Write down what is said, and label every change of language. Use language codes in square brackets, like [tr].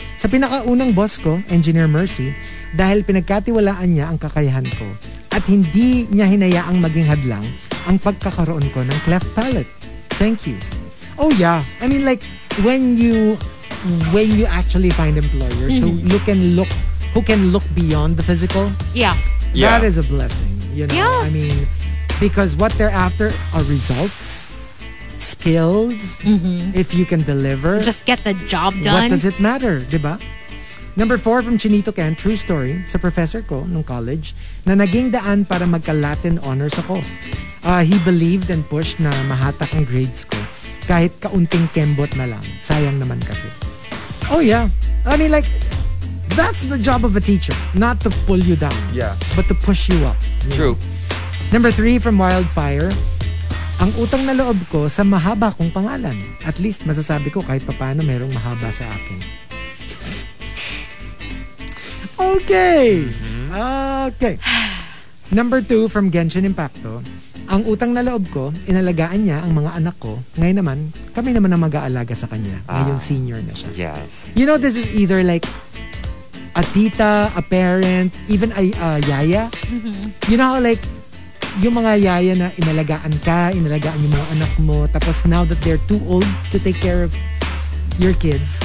[tl] Sa pinakaunang boss ko, Engineer Mercy, dahil pinagkatiwalaan niya ang kakayahan ko at hindi niya hinayaang maging hadlang ang pagkakaroon ko ng cleft palate. [en] Thank you. Oh yeah. I mean like, when you actually find employers who can look beyond the physical, yeah. That is a blessing. You know, yeah. I mean, because what they're after are results. Skills, mm-hmm. if you can deliver. Just get the job done. What does it matter, diba? Number 4 from Chinito Ken, true story, [tl] sa professor ko nung college, na naging daan para magka-Latin honors ako. [en] He believed and pushed [tl] na mahatak ang grades ko, kahit kaunting kembot na lang. Sayang naman kasi. [en] Oh yeah. I mean like, that's the job of a teacher. Not to pull you down. Yeah. But to push you up. You Know? Number 3 from Wildfire, [tl] ang utang na loob ko sa mahaba kong pangalan. At least, masasabi ko kahit papano merong mahaba sa akin. Okay! Mm-hmm. Okay. [en] Number 2 from Genshin Impacto, [tl] ang utang na loob ko, inalagaan niya ang mga anak ko. Ngayon naman, kami naman ang mag-aalaga sa kanya. Ngayon senior na siya. [en] Yes. You know, this is either like a tita, a parent, even a yaya. Mm-hmm. You know how like, [tl] yung mga yaya na inalagaan ka, inalagaan yung mga anak mo, tapos [en] now that they're too old to take care of your kids,